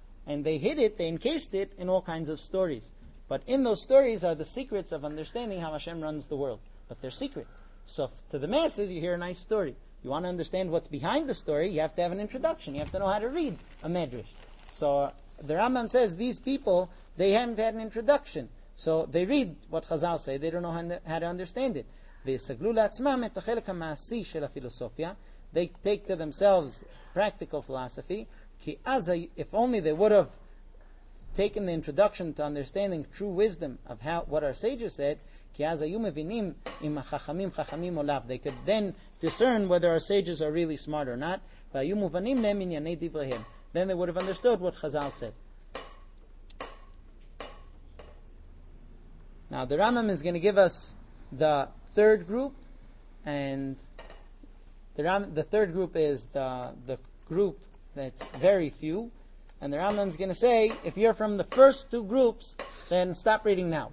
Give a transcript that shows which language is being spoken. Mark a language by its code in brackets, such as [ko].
[en] And they hid it, they encased it in all kinds of stories. But in those stories are the secrets of understanding how Hashem runs the world. But they're secret. So to the masses, you hear a nice story. You want to understand what's behind the story, you have to have an introduction. You have to know how to read a Medrash. So the Rambam says these people, they haven't had an introduction. So they read what Chazal say, they don't know how to understand it. [he] ויסגלו לעצמם את החלק המעשי של הפילוסופיה. [en] They take to themselves practical philosophy. [he] כי אז, if only they would have taken the introduction to understanding true wisdom of how what our sages said, כי אז היו מבינים אם החכמים חכמים או לאו. [en] They could then discern whether our sages are really smart or not. [he] והיו מובנים להם ענייני דבריהם. [en] Then they would have understood what Chazal said. Now the Rambam is going to give us the third group, and the third group is the group that's very few, and the Rambam is going to say, if you're from the first two groups, then stop reading now.